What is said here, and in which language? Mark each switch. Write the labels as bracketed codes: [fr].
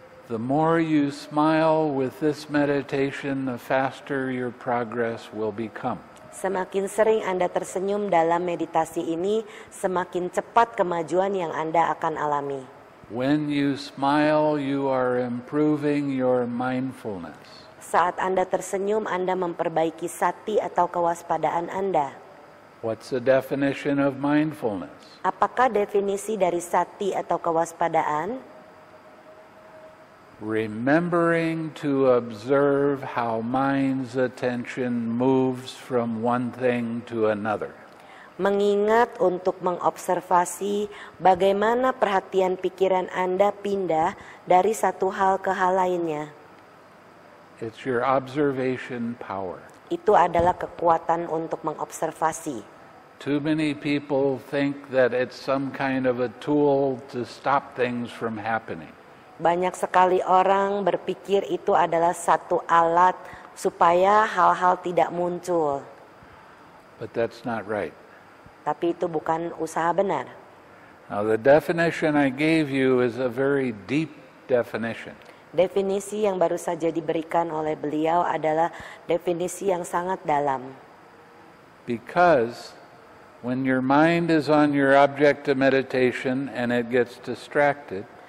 [en] The more you smile with this meditation, the faster your progress will become. [id] Semakin sering Anda tersenyum dalam meditasi ini, semakin cepat kemajuan yang Anda akan alami. [en] When you smile, you are improving your mindfulness. [id] Saat Anda tersenyum, Anda memperbaiki sati atau kewaspadaan Anda. [en] What's the definition of mindfulness? [id] Apakah definisi dari sati atau kewaspadaan? [en] Remembering to observe how mind's attention moves from one thing to another. [id] Mengingat untuk mengobservasi bagaimana perhatian pikiran Anda pindah dari satu hal ke hal lainnya. [en] It's your observation power. [id] Itu adalah kekuatan untuk mengobservasi. [en] Too many people think that it's some kind of a tool to stop things from happening. [id] Banyak sekali orang berpikir itu adalah satu alat supaya hal-hal tidak muncul. [en] But that's not right. [id] Tapi itu bukan usaha benar. [en] Now the definition I gave you is a very deep definition. [id] Definisi yang baru saja diberikan oleh beliau adalah definisi yang sangat dalam. [en] Because when your mind is on your object of meditation and it gets distracted,